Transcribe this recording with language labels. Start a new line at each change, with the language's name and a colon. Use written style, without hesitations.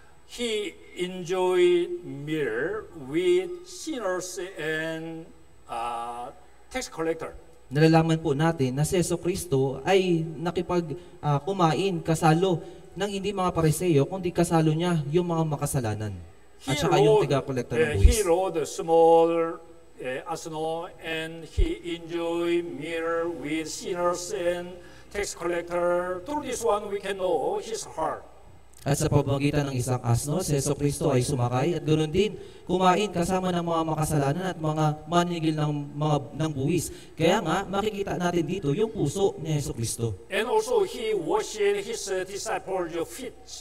English: He enjoyed meal with sinners and tax collector.
Filipino: Nalalaman po natin na si Jesus Cristo ay nakipagkumain kasalo ng hindi mga pariseo, kundi kasalo niya yung mga makasalanan.
English: He
Filipino: at saka yung tiga-collector ng buwis.
English: He rode a small asno and he enjoyed meal with sinners and tax collector. Through this one, we can know his heart.
Filipino: At sa pamamagitan ng isang asno, si Jesus Cristo ay sumakay at ganoon din kumain kasama ng mga makasalanan at mga manigil ng mga ng buwis. Kaya nga makikita natin dito yung puso ni Jesus Cristo.
English: And also he washed his disciples' feet.